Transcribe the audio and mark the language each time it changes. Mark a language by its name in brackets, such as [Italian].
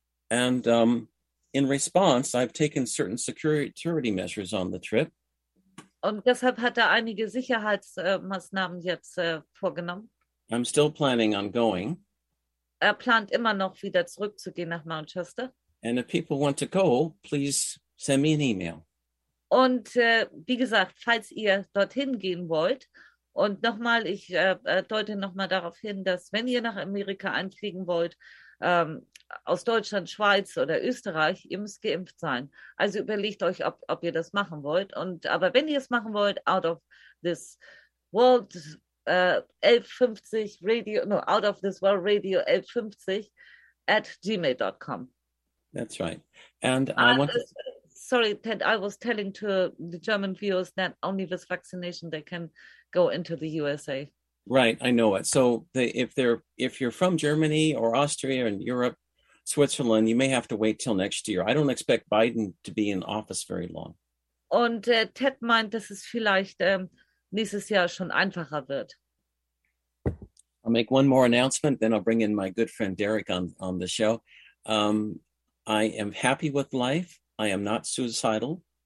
[English] And in response, I've taken certain security measures on the trip. [German] Und deshalb hat er einige Sicherheitsmaßnahmen jetzt vorgenommen. [English] I'm still planning on going. [German] Er plant immer noch wieder zurückzugehen nach Mount Shasta. [English] And if people want to go, please send me an email. [German] Und wie gesagt, falls ihr dorthin gehen wollt, und nochmal, ich deute nochmal darauf hin, dass wenn ihr nach Amerika einfliegen wollt, aus Deutschland, Schweiz oder Österreich, ihr müsst geimpft sein. Also überlegt euch, ob ihr das machen wollt. Und aber wenn ihr es machen wollt, Out of This World 1150 Radio, no, Out of This World Radio 1150@gmail.com. [English] That's right. And sorry, Ted, I was telling to the German viewers that only with vaccination they can go into the USA. Right, I know it. So if you're from Germany or Austria and Europe, Switzerland, you may have to wait till next year. I don't expect Biden to be in office very long. [German] Und Ted meint, dass es vielleicht nächstes Jahr schon einfacher wird. [English] I'll make one more announcement, then I'll bring in my good friend Derek on the show. I am happy with life. I am not suicidal.